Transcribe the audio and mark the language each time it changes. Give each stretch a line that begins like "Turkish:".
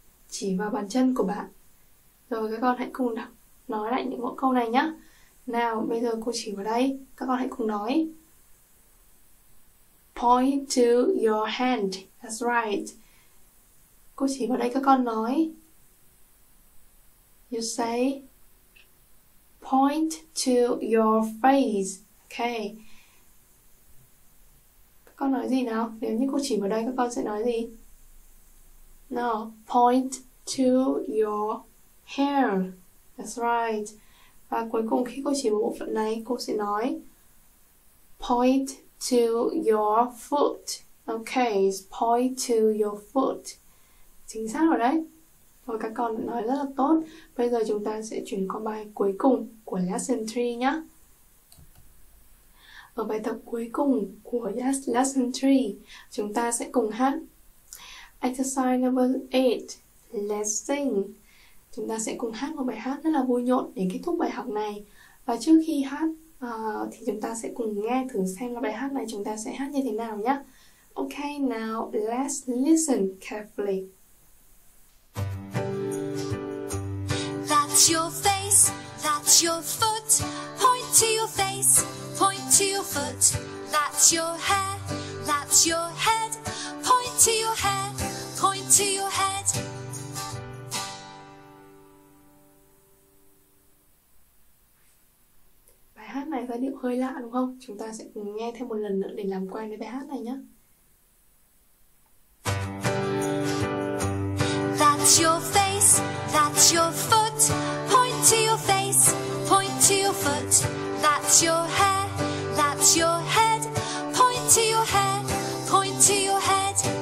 Vietnamese: Chỉ vào bàn chân của bạn. Rồi các con hãy cùng đọc, nói lại những mỗi câu này nhá. Nào, bây giờ cô chỉ vào đây, các con hãy cùng nói.
English: Point to your hand. That's right.
Vietnamese: Cô chỉ vào đây, các con nói.
English: You say point to your face. Okay.
Vietnamese: Các con nói gì nào? Nếu như cô chỉ vào đây, các con sẽ nói gì?
English: No, point to your hair. That's right.
Vietnamese: Và cuối cùng khi cô chỉ vào bộ phận này, cô sẽ nói
English: point to your foot. Okay, point to your foot.
Vietnamese: Chính xác rồi đấy. Rồi các con nói rất là tốt. Bây giờ chúng ta sẽ chuyển qua bài cuối cùng của lesson 3 nhá. Ở bài tập cuối cùng của lesson 3, chúng ta sẽ cùng hát
English: exercise number 8, let's sing.
Vietnamese: Chúng ta sẽ cùng hát một bài hát rất là vui nhộn để kết thúc bài học này. Và trước khi hát thì chúng ta sẽ cùng nghe thử xem bài hát này chúng ta sẽ hát như thế nào nhé.
English: Ok, now let's listen carefully. That's your face, that's your foot. Point to your face, point to your foot. That's your hair, that's your head. Point to your hair, point to your head.
Vietnamese: Hát này giai điệu hơi lạ đúng không? Chúng ta sẽ cùng nghe thêm một lần nữa để làm quen với bài hát này nhé.
English: That's your face, that's your foot. Point to your face, point to your foot. That's your hair, that's your head. Point to your hair, point to your head.